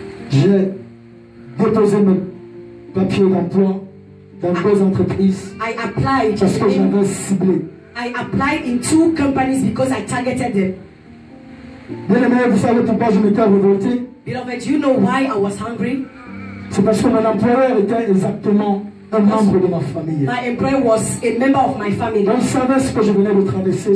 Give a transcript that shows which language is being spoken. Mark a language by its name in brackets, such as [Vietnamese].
[French] J'ai déposé mes papiers d'emploi dans deux entreprises. [English] I applied [French] parce que j'avais ciblé. [English] I applied in two companies because I targeted them. [French] Bien-aimé, vous savez pourquoi je m'étais révolté? [English] Beloved, you know why I was hungry? [French] C'est parce que mon employeur était exactement un membre de ma famille. [English] My employer was a member of my family. [French] Il savait ce que je venais de traverser.